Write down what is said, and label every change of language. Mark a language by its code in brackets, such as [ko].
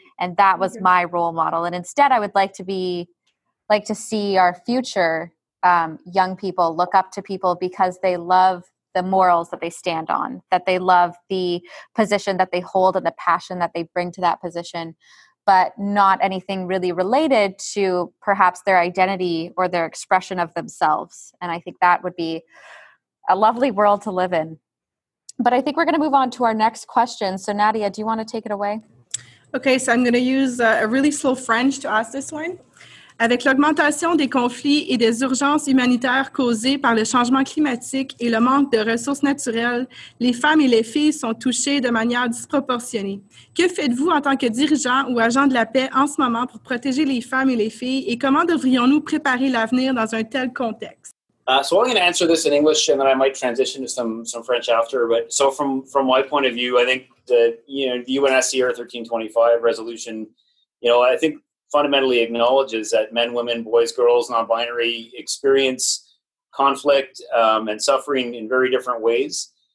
[en] And that was my role model. And instead, I would like to be, like to see our future young people look up to people because they love the morals that they stand on, that they love the position that they hold and the passion that they bring to that position, but not anything really related to perhaps their identity or their expression of themselves. And I think that would be a lovely world to live in. But I think we're going to move on to our next question. So Nadia, do you want to take it away? Okay, so I'm going to use a really slow French to ask this one. [fr] Avec l'augmentation des conflits et des urgences humanitaires causées par le changement climatique et le manque de ressources naturelles, les femmes et les filles sont touchées de manière disproportionnée. Que faites-vous en tant que dirigeant ou agent de la paix en ce moment pour protéger les femmes et les filles, et comment devrions-nous préparer l'avenir dans un tel contexte? [en] So I'm going to answer this in English, and then I might transition to some French after. But so from my point of view, I think the UNSCR 1325 resolution, you know, I think fundamentally acknowledges that men, women, boys, girls, non-binary experience conflict and suffering in very different ways.